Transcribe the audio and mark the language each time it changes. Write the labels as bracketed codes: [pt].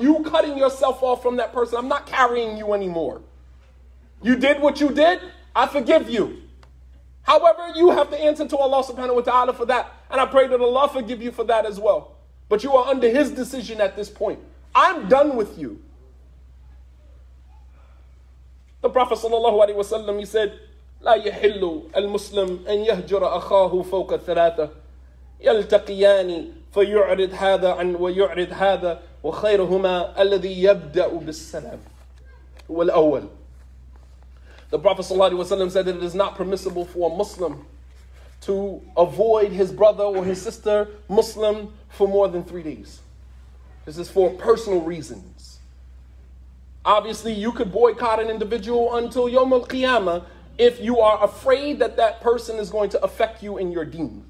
[en] You cutting yourself off from that person. I'm not carrying you anymore. You did what you did. I forgive you. However, you have to answer to Allah subhanahu wa ta'ala for that. And I pray that Allah forgive you for that as well. But you are under his decision at this point. I'm done with you. The Prophet sallallahu alaihi wasallam, he said, [ar] لا يحل المسلم أن يهجر أخاه فوق ثلاثة يلتقيان فيعرض هذا عن ويعرض هذا وخيرهما الذي يبدأ بالسلام هو الأول. [en] The Prophet صلى الله عليه وسلم said that it is not permissible for a Muslim to avoid his brother or his sister Muslim for more than 3 days. This is for personal reasons. Obviously, you could boycott an individual until يوم القيامة if you are afraid that that person is going to affect you in your deen.